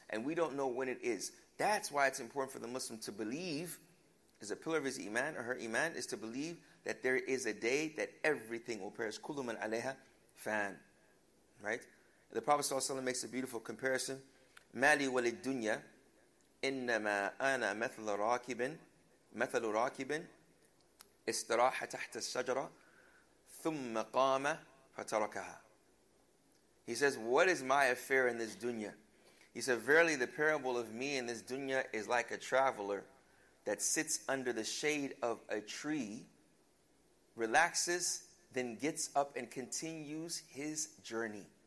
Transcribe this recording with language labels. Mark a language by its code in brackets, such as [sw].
[en] And we don't know when it is. That's why it's important for the Muslim to believe, as a pillar of his iman or her iman, is to believe that there is a day that everything will perish. [ar] Kullu man alayha fan. [en] Right? The Prophet ﷺ makes a beautiful comparison. [ar] Mali walid dunya, innama ana mathla rakibin. مثل راكب استراح تحت الشجرة ثم قام فتركها. [en] He says, what is my affair in this dunya? He said, verily the parable of me in this dunya is like a traveler that sits under the shade of a tree, relaxes, then gets up and continues his journey.